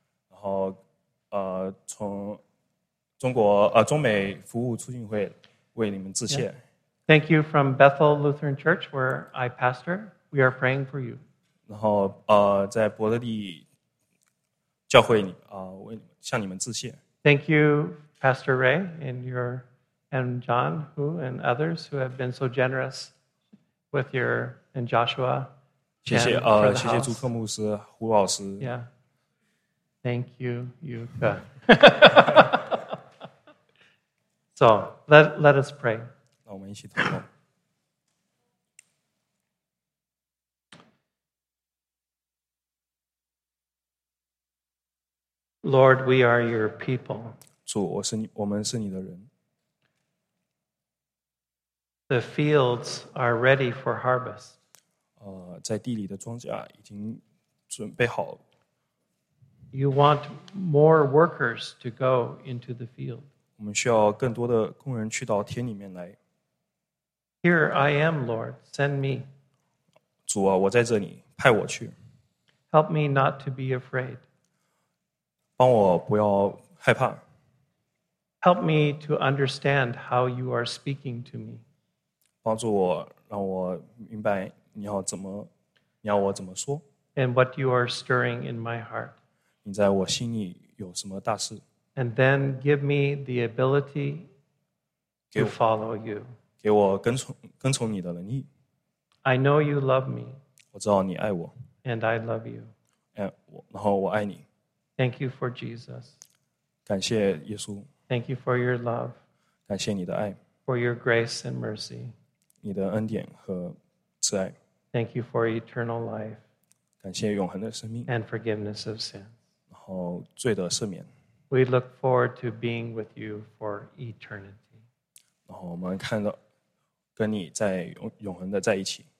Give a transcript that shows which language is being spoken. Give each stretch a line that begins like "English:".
Chinese: 然后，从中国中美服务促进会为你们致谢。
English: Yeah. Thank you from Bethel Lutheran Church where I pastor. We are praying for you.
Chinese: 然后在伯特利教会为你们向你们致谢。
English: Thank you, Pastor Ray, and John, who and others who have been so generous with your and Joshua.
Chinese: 谢谢，谢谢朱克牧师、胡老师。
English: Yeah. Thank you, Yuka. So let us pray.
Chinese: 那我们一起祷告。
English: Lord, we are your people.
Chinese: 主，我是你，我们是你的人。
English: The fields are ready for harvest.
Chinese: 在地里的庄稼已经准备好了。
English: You want more workers to go into the field.
Chinese: 我们需要更多的工人去到田里面来。
English: Here I am, Lord, send me.
Chinese: 主啊，我在这里，派我去。
English: Help me not to be afraid.
Chinese: 帮我不要害怕。
English: Help me to understand how you are speaking to me.
Chinese: 帮助我，让我明白你要我怎么说。
English: And what you are stirring in my heart.
Chinese: 你在我心里有什么大事？
English: And then give me the ability to follow you.
Chinese: 给我跟从你的能力。
English: I know you love me.
Chinese: 我知道你爱我。
English: And I love you.
Chinese: 然后我爱你。
English: Thank you for Jesus.
Chinese: 感谢耶稣。
English: Thank you for your love.
Chinese: 感谢你的爱。
English: For your grace and mercy.
Chinese: 你的恩典和慈爱。
English: Thank you for eternal life.
Chinese: 感谢永恒的生命。
English: And forgiveness of sin.
Chinese: 然后罪得赦免。
English: We look forward to being with you for eternity.
Chinese: 然后我们看到跟你在永恒的在一起。